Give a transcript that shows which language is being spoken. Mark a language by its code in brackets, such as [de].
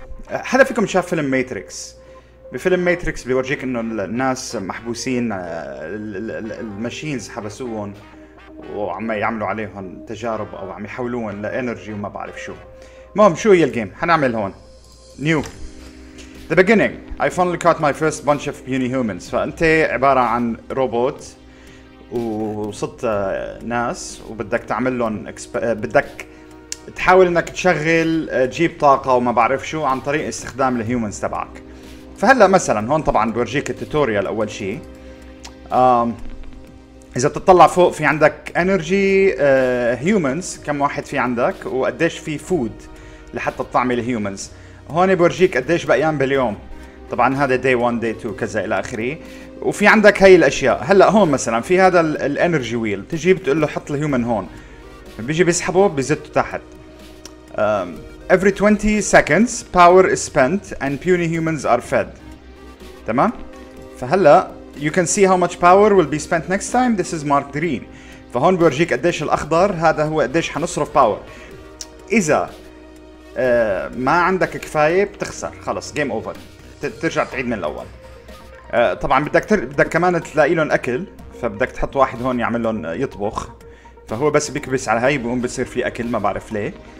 [ar] حدا فيكم شاف فيلم ماتريكس؟ بفيلم ماتريكس بيورجيك انه الناس محبوسين، الماشينز حبسوهم وعم يعملوا عليهم تجارب او عم يحولوهم لانرجي وما بعرف شو. المهم، شو هي الجيم؟ حنعمل هون نيو [en] The beginning. I finally caught my first bunch of puny humans. [ar] فأنت عبارة عن روبوت وصدت ناس وبدك تعمل لهم بدك تحاول انك تشغل تجيب طاقة وما بعرف شو عن طريق استخدام الهيومنز تبعك. فهلأ مثلا هون طبعا بورجيك التوتوريال اول شيء. اذا بتطلع فوق في عندك انرجي هيومنز، كم واحد في عندك وقديش في فود لحتى تطعمي الهيومنز. هون بورجيك قديش بقيان باليوم، طبعا هذا day 1 day 2 كذا الى اخره. وفي عندك هاي الاشياء. هلا هون مثلا في هذا الانرجي ويل، تجي بتقول له حط الهيومن هون، بيجي بيسحبه بزته تحت. [en] Every 20 seconds power is spent and puny humans are fed. [ar] تمام. [en] فهلا you can see how much power will be spent next time. This is marked green. [ar] فهون بورجيك قديش الاخضر، هذا هو قديش حنصرف باور. اذا ما عندك كفاية بتخسر، خلص game over، ترجع تعيد من الأول. طبعا بدك كمان تلاقي لهم أكل، فبدك تحط واحد هون يعمل لهم يطبخ، فهو بس بيكبس على هاي بيقوم بيصير فيه أكل ما بعرف ليه.